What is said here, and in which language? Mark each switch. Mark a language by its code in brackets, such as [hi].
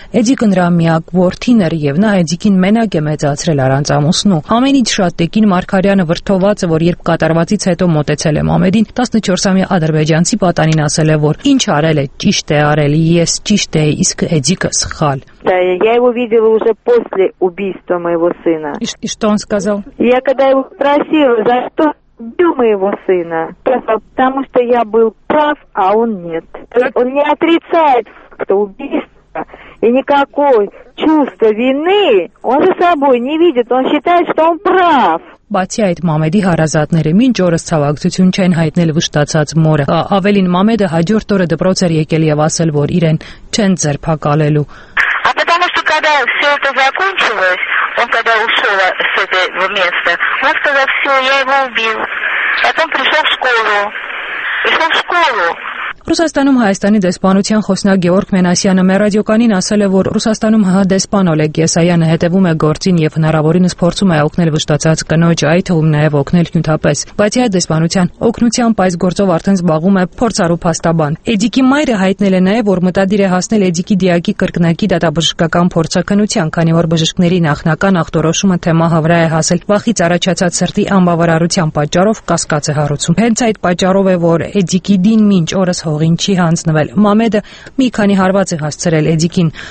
[hy] Էդիկը նրա միակ որդին էր և նա Էդիկին մենակ է մեծացրել առանց ամուսնու։ Ամենից շատ Էդիկին Մարկարյանը վրդոված է, որ երբ կատարվածից հետո մոտեցել է Մամեդին, 14-ամյա ադրբեջանցի պատանին ասել է, որ ինչ արել է, ճիշտ է արել, ես ճիշտ էի, իսկ Էդիկը սխալ։ [ru] Да, я его видела уже после убийства моего сына. И что он сказал? Я когда его спросила, за что убил моего сына, потому что я был прав, а он нет. Он не отрицает факта убийства и никакого чувства вины он за собой не видит, он считает, что он прав. [hy] Բացի այդ, Մամեդի հարազատները մինչ օրս ցավակցություն չեն հայտնել վշտացած մորը։ Ավելին, Մամեդը հաջորդ օրը դպրոց էր եկել և ասել, որ իրեն չեն ձերբակալելու։ [ru] А потому что когда все это закончилось, он когда ушел с этого места, он сказал, все, я его убил. Потом пришел в школу. Пришел в школу. [hy] Ռուսաստանում Հայաստանի դեսպանության խոսնակ Գևորգ Մենասյանը մեր ռադիոկանին ասել է, որ Ռուսաստանում ՀՀ դեսպան Օլեգ Եսայանը հետևում է գործին և հնարավորինս փորձում է օգնել վշտացած կնոջ, այդ թվում նաև օգնել հյութապես։ Բացի այդ, դեսպանության օգնությամբ այս գործով արդեն զբաղվում է փորձառու փաստաբան։ Էդիկի մայրը հայտնել է նաև, որ մտադիր է հասնել Էդիկի դիակի կրկնակի դատաբժշկական փորձակնության, քանի որ բժշկների նախնական ախտորոշումը թեմա հավրա է հասել վախից առաջացած սրտի անբավարարության պատճառով կասկած է հարուցում։ Հենց այդ պատճառով է, որ Էդիկի դին մինչ օրս հողին չի հանձնվել։ Մամեդը մի քանի հարված է հասցրել Էդիկին։